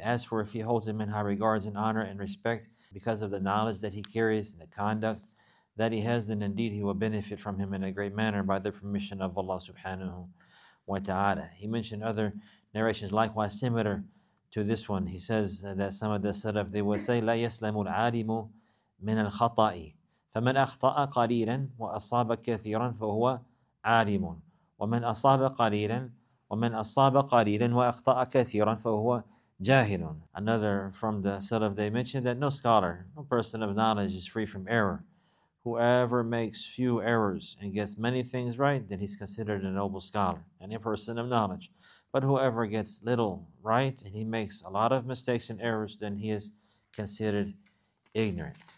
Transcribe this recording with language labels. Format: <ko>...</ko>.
<en>As for if he holds him in high regards and honor and respect because of the knowledge that he carries and the conduct that he has, then indeed he will benefit from him in a great manner by the permission of Allah subhanahu wa ta'ala. He mentioned other narration is likewise similar to this one. He says that some of the Salaf, they would say,</en> <ar>لَا يَسْلَمُ الْعَالِمُ مِنَ الْخَطَائِ فَمَنْ أَخْطَأَ قَلِيلًا وَأَصَابَ كَثِيرًا فَهُوَ عَالِمٌ وَمَنْ أَصَابَ قَلِيلًا وَمَنْ أَصَابَ قَلِيلًا وَأَخْطَأَ كَثِيرًا فَهُوَ جَاهِلٌ.</ar> <en>Another from the Salaf, they mentioned that no scholar, no person of knowledge is free from error. Whoever makes few errors and gets many things right, then he's considered a noble scholar and a person of knowledge. But whoever gets little right and he makes a lot of mistakes and errors, then he is considered ignorant.</en>